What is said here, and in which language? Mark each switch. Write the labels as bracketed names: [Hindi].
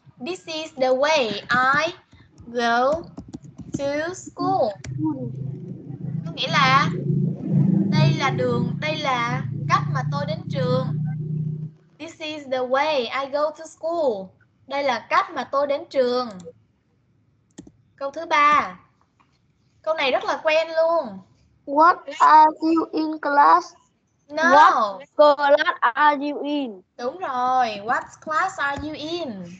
[English] This is the way I go to school. [Vietnamese] Có nghĩa là đây là đường, đây là cách mà tôi đến trường. [English] This is the way I go to school. [Vietnamese] Đây là cách mà tôi đến trường. Câu thứ ba. Câu này rất là quen luôn. [English] What are you in class? No. What class are you in? [Vietnamese] Đúng rồi. [English] What class are you in?